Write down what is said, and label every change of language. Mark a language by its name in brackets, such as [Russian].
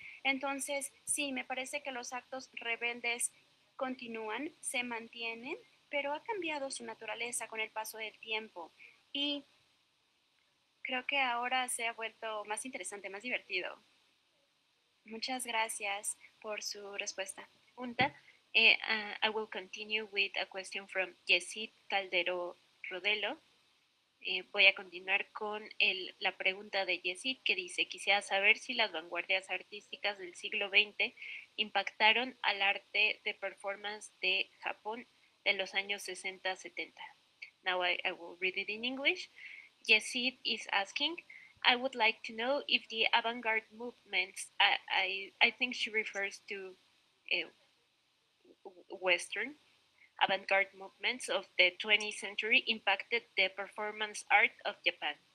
[Spanish] Entonces, sí, me parece que los actos rebeldes continúan, se mantienen, pero ha cambiado su naturaleza con el paso del tiempo. Y creo que ahora se ha vuelto más interesante, más divertido. Muchas gracias por su respuesta. Pregunta. [English] I will continue with a question from Yesid Caldero Rodelo. [Spanish] Voy a continuar con la pregunta de Yesid, que dice: quisiera saber si las vanguardias artísticas del siglo XX impactaron al arte de performance de Japón de los años 60-70. [English] Now I will read it in English. Yesid is asking, I would like to know if the avant-garde movements, I think she refers to Western avant-garde movements of the 20th century impacted the performance art of Japan.